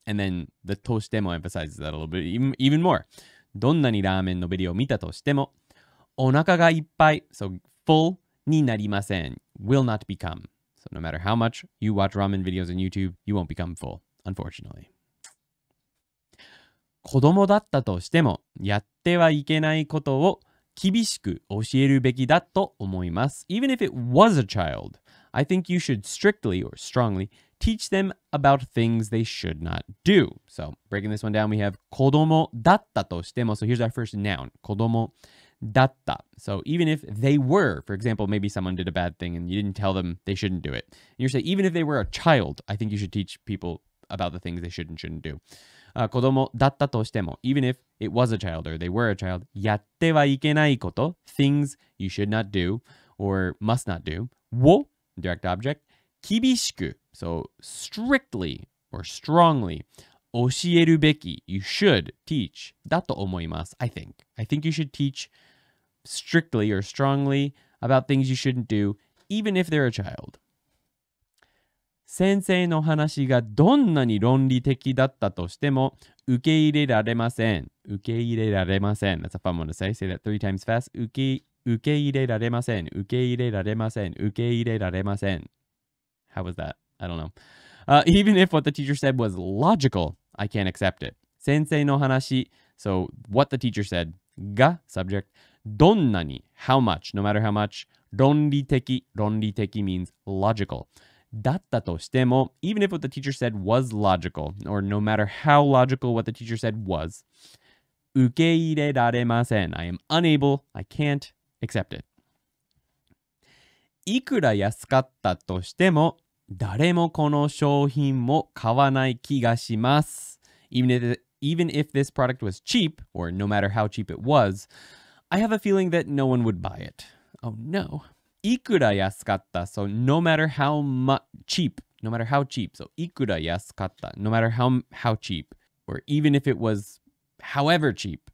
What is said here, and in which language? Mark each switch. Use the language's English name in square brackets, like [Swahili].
[English] And then the toshitemo emphasizes that a little bit even more. [Japanese] Donnani ramen no video mita toshitemo, onaka ga ippai, [English] so full, [Japanese] ni narimasen, [English] will not become. So no matter how much you watch ramen videos on YouTube, you won't become full. Unfortunately. [Japanese] 子供だったとしても、やってはいけないことを厳しく教えるべきだと思います。 [English] Even if it was a child, I think you should strictly or strongly teach them about things they should not do. So, breaking this one down, we have [Japanese] 子供だったとしても。 [English] So, here's our first noun. [Japanese] 子供だった。 [English] So, even if they were, for example, maybe someone did a bad thing and you didn't tell them they shouldn't do it. And you're saying, even if they were a child, I think you should teach people... about the things they should and shouldn't do. [Japanese] 子供だったとしても, [English] even if it was a child or they were a child, [Japanese] やってはいけないこと, [English] things you should not do or must not do, [Japanese] を, [English] direct object, [Japanese] 厳しく, [English] so strictly or strongly, [Japanese] 教えるべき, [English] you should teach, [Japanese] だと思います, [English] I think you should teach strictly or strongly about things you shouldn't do, even if they're a child. [Japanese] 先生の話がどんなに論理的だったとしても受け入れられません。受け入れられません。 [English] That's a fun one to say. Say that 3 times fast. [Japanese] 受け入れられません。受け入れられません。受け入れられません。 [English] How was that? I don't know. Even if what the teacher said was logical, I can't accept it. [Japanese] 先生の話、 [English] so what the teacher said, [Japanese] が、 [English] subject, [Japanese] どんなに、 [English] how much, no matter how much, [Japanese] 論理的 [English] means logical. [Japanese] だったとしても, [English] even if what the teacher said was logical, or no matter how logical what the teacher said was, [Japanese] 受け入れられません. [English] I am unable, I can't accept it. [Japanese] いくら安かったとしても、誰もこの商品を買わない気がします. [English] Even if this product was cheap, or no matter how cheap it was, I have a feeling that no one would buy it. Oh no. [Japanese] いくら安かった? [English] So no matter how much cheap, no matter how cheap. So [Japanese] いくら安かった? [English] No matter how cheap. Or even if it was however cheap.